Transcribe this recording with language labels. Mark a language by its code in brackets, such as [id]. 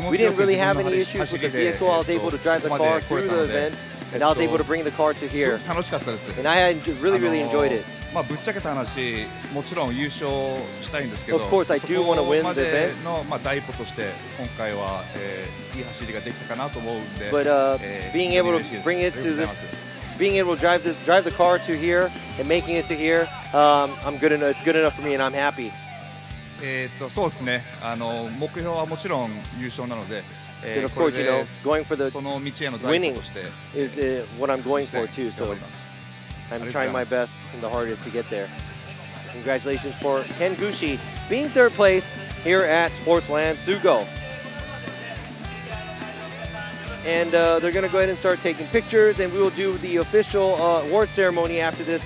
[ja] 持ちよく自分の走りで、 [en] I was able to drive the car through the event and I was able to bring the car to here. [ja] 楽しかったです。 [en] And I had really, really enjoyed it. [ja] まあぶっちゃけた話、もちろん優勝したいんですけど、 [en] of course, I do want to win the event. [ja] そこまでの第一歩として今回は、いい走りができたかなと思うんで、 [en] But being able to bring it to this, being able to drive the car to here and making it to here, I'm good enough. It's good enough for me and I'm happy. [ja] そうですね。目標はもちろん優勝なので、 [en] course, [ja] これで [en] you know, going for the [ja] その道への第一歩として、 [en] is what I'm going for too. So I'm trying my best and the hardest to get there. Congratulations for Ken Gushi being third place here at Sportsland Sugo. And they're going to go ahead and start taking pictures, and we will do the official award ceremony after this.